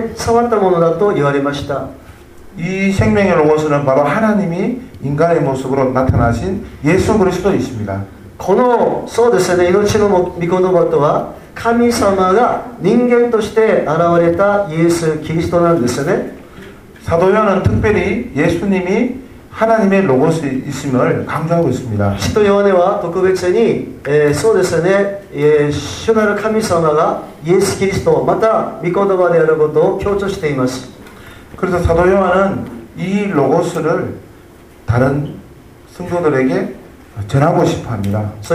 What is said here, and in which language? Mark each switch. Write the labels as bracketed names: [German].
[Japanese] その命はですね、私たちが初めからあったものとして聞いたもの、目で見たもの、ちっと見、また手で触ったものだと言われました。 [Korean] 이 생명의 로고스는 바로 하나님이 인간의 모습으로 나타나신 예수 그리스도이십니다. [Japanese] このそうですね、命の御言葉とは 神様が人間として現れたイエス・キリストなんですね。 [Korean] 사도요한은 특별히 예수님이 하나님의 로고스이심을 강조하고 있습니다. [Japanese] 使徒ヨハネは特別に、そうですね、主なる神様がイエス・キリストまた御言葉であることを強調しています。 [Korean] 그래서 사도요한은 이 로고스를 다른 성도들에게 전하고 싶어합니다.